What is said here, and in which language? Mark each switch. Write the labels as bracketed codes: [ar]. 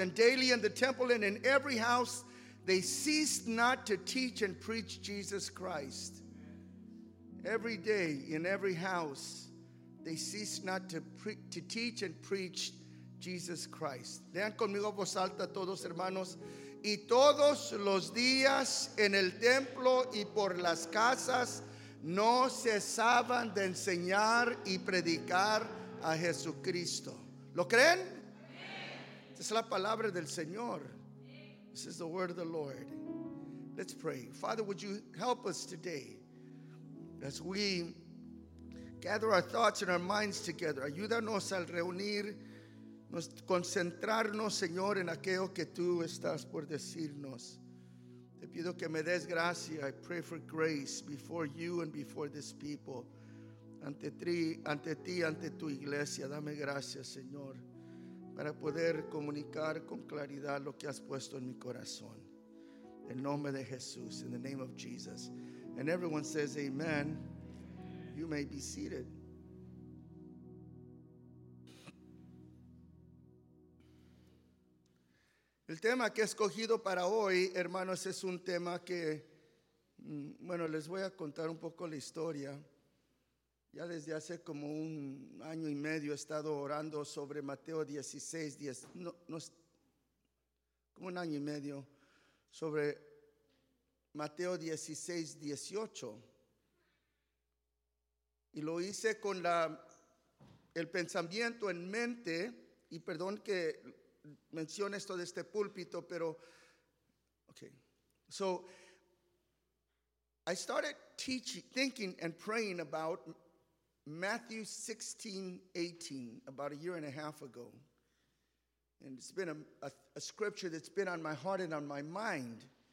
[en] And daily in the temple and in every house, they ceased not to teach and preach Jesus Christ. Every day in every house, they ceased not to teach and preach Jesus Christ. [es] Lean conmigo voz alta todos hermanos. Y todos los días en el templo y por las casas no cesaban de enseñar y predicar a Jesucristo. ¿Lo creen? Sí. Es la palabra del Señor. [en] This is the word of the Lord. Let's pray. Father, would you help us today as we gather our thoughts and our minds together. [es] Ayúdanos al reunir, concentrarnos, Señor, en aquello que tú estás por decirnos. Te pido que me des gracia. [en] I pray for grace before you and before this people. [es] Ante ti, ante tu iglesia. Dame gracia, Señor, para poder comunicar con claridad lo que has puesto en mi corazón. En nombre de Jesús, [en] in the name of Jesus. And everyone says amen. You may be seated. [es] El tema que he escogido para hoy, hermanos, es un tema que, bueno, les voy a contar un poco la historia. Ya desde hace como un año y medio he estado orando sobre Mateo 16, 10, no, como un año y medio, sobre Mateo 16, 18. Y lo hice con el pensamiento en mente, y perdón que mencione esto de este púlpito, pero, okay. [en] So, I started thinking and praying about Matthew 16, 18, about a year and a half ago. And it's been a scripture that's been on my heart and on my mind.